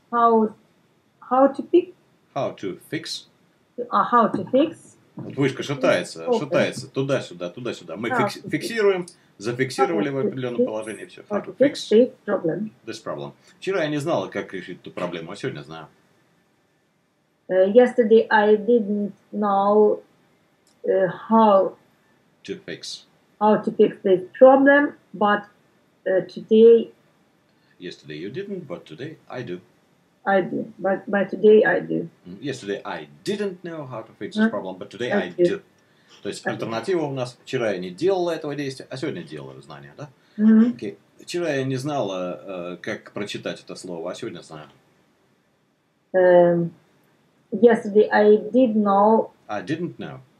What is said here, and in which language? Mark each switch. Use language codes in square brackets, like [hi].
[en] How to fix? How to fix? How to fix? [ru] Вот вышка шатается, шатается. Туда-сюда, туда-сюда. Мы фиксируем, зафиксировали в определенном положении. Все. [en] How to fix this problem. [ru] Вчера я не знала, как решить эту проблему, а сегодня знаю. [en] Yesterday I didn't know how to fix this problem, but today. Yesterday you didn't, but today I do. I do, but today I do. Yesterday I didn't know how to fix this problem, but today I do. [ru] То есть альтернатива у нас: вчера я не делала этого действия, а сегодня делаю, знание, да? Окей. Вчера я не знала, как прочитать это слово, а сегодня знаю. [en] Yesterday I did know. I didn't know.